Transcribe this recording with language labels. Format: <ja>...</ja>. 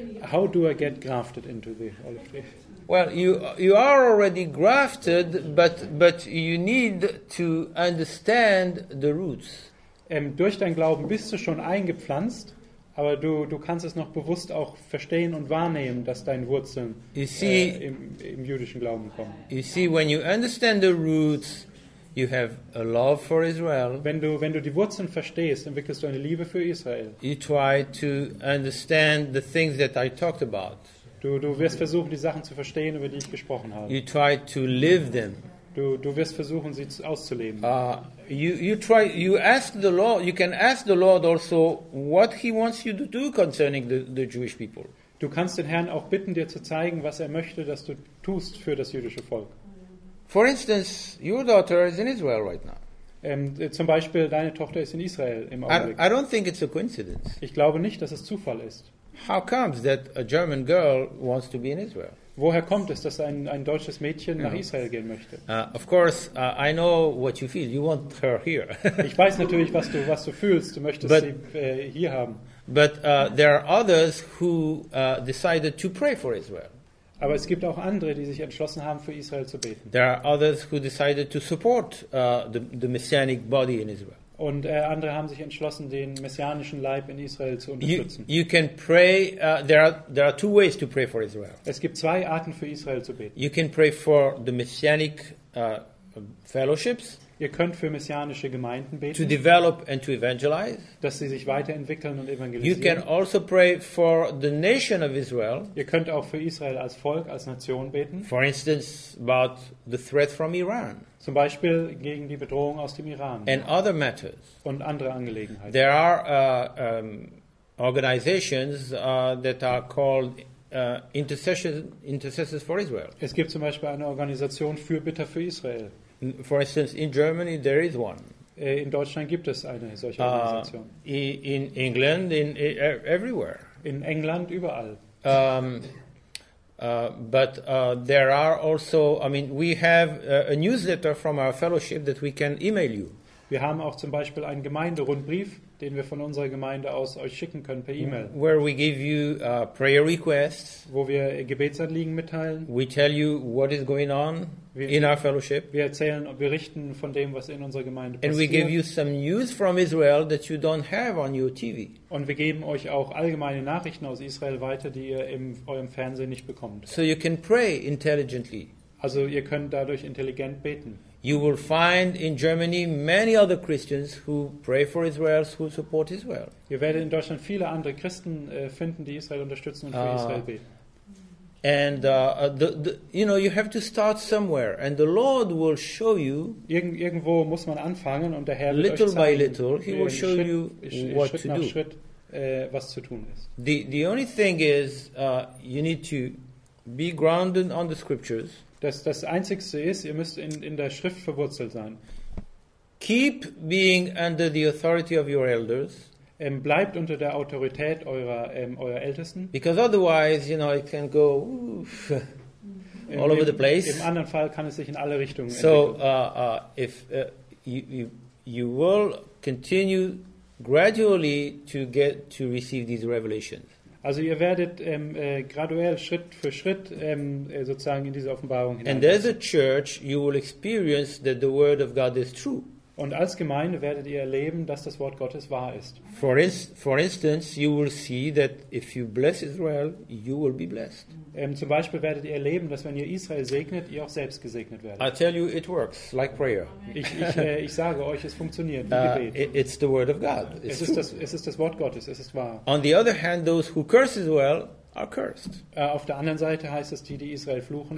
<en>how do I get grafted into the olive tree? Well, you are already grafted, but you need to understand the roots.</en> <de>Durch dein Glauben bist du schon eingepflanzt, aber du kannst es noch bewusst auch verstehen und wahrnehmen, dass deine Wurzeln im jüdischen Glauben kommen.</de> <en>You see, when you understand the roots, you have a love for Israel.</en> <de>Wenn du die Wurzeln verstehst, entwickelst du eine Liebe für Israel.</de> <en>You try to understand the things that I talked about.</en> <de>Du wirst versuchen, die Sachen zu verstehen, über die ich gesprochen habe.</de> <en>You try to live them.</en> <de>Du wirst versuchen, sie auszuleben.</de> <en>You can ask the Lord also what he wants you to do concerning the Jewish people.</en> <de>Du kannst den Herrn auch bitten, dir zu zeigen, was er möchte, dass du tust für das jüdische Volk.</de> <en>For instance, your daughter is in Israel right now.</en> <de>Zum Beispiel, deine Tochter ist in Israel im Augenblick.</de> <en>I don't think it's a coincidence.</en> <de>Ich glaube nicht, dass es Zufall ist.</de> <en>How comes that a German girl wants to be in Israel?</en> <de>Woher kommt es, dass ein deutsches Mädchen nach Israel gehen möchte?</de> <en>Of course, I know what you feel. You want her here.</en> <de>Ich weiß natürlich, was du fühlst. Du möchtest sie hier haben.</de> <en>But there are others who decided to pray for Israel.</en> <de>Aber es gibt auch andere, die sich entschlossen haben, für Israel zu beten.</de> <en>There are others who decided to support the messianic body in Israel.</en> <de>Und andere haben sich entschlossen, den messianischen Leib in Israel zu unterstützen.</de> <en>You can pray. There are two ways to pray for Israel.</en> <de>Es gibt zwei Arten, für Israel zu beten.</de> <en>You can pray for the messianic fellowships.</en> <de>Ihr könnt für messianische Gemeinden beten.</de> <en>To develop and to evangelize.</en> <de>Dass sie sich weiterentwickeln und evangelisieren.</de> <en>You can also pray for the nation of Israel.</en> <de>Ihr könnt auch für Israel als Volk, als Nation beten.</de> <en>For instance, about the threat from Iran.</en> <de>Zum Beispiel gegen die Bedrohung aus dem Iran.</de> <en>And other matters.</en> <de>Und andere Angelegenheiten.</de> <en>There are organizations that are called intercessors for Israel.</en> <de>Es gibt zum Beispiel eine Organisation Fürbitter für Israel.</de> <en>For instance, in Germany there is one.</en> <de>In Deutschland gibt es eine solche Organisation.</de> <en>In England, everywhere.</en> <de>In England überall.</de> <en>But there are also, we have a newsletter from our fellowship that we can email you.</en> <de>Wir haben auch zum Beispiel einen Gemeinderundbrief, den wir von unserer Gemeinde aus euch schicken können per E-Mail.</de> <en>Where we give you prayer requests.</en> <de>Wo wir Gebetsanliegen mitteilen.</de> <en>We tell you what is going on. In our fellowship.</en> <de>Wir erzählen und berichten von dem, was in unserer Gemeinde passiert.</de> <en>And we give you some news from Israel that you don't have on your TV.</en> <de>Und wir geben euch auch allgemeine Nachrichten aus Israel weiter, die ihr in eurem Fernsehen nicht bekommt.</de> <en>So you can pray intelligently.</en> <de>Also ihr könnt dadurch intelligent beten.</de> <en>You will find in Germany many other Christians who pray for Israel, who support Israel.</en> <de>Ihr werdet in Deutschland viele andere Christen finden, die Israel unterstützen und für Israel beten.</de> <en>And you have to start somewhere, and the Lord will show you.</en> <de>Irgendwo muss man anfangen, und der Herr wird euch zeigen.</de> <en>Little by little, he will show you what to do.</en> <de>Schritt, was zu tun ist.</de> <en>The only thing is, you need to be grounded on the Scriptures.</en> <de>Das Einzigste ist, ihr müsst in der Schrift verwurzelt sein.</de> <en>Keep being under the authority of your elders.</en> <de>Bleibt unter der Autorität eurer Ältesten.</de> <en>Because otherwise, it can go all over the place.</en> <de>Im anderen Fall kann es sich in alle Richtungen entwickeln.</de> <en>So, if you will continue gradually to receive these revelations.</en> <de>Also ihr werdet graduell Schritt für Schritt sozusagen in diese Offenbarung hineinkommen.</de> <en>And as a church, you will experience that the word of God is true.</en> <de>Und als Gemeinde werdet ihr erleben, dass das Wort Gottes wahr ist.</de> <en>For instance, you will see that if you bless Israel, you will be blessed.</en> <de>Zum Beispiel werdet ihr erleben, dass wenn ihr Israel segnet, ihr auch selbst gesegnet werdet.</de> <en>I tell you, it works like prayer.</en> <de>Ich sage euch, es funktioniert wie Gebet.</de> <en>It's the word of God.</en> <de>Es ist das Wort Gottes. Es ist wahr.</de> <en>On the other hand, those who curse Israel are cursed.</en> <de>Auf der anderen Seite heißt es, die Israel fluchen.</de>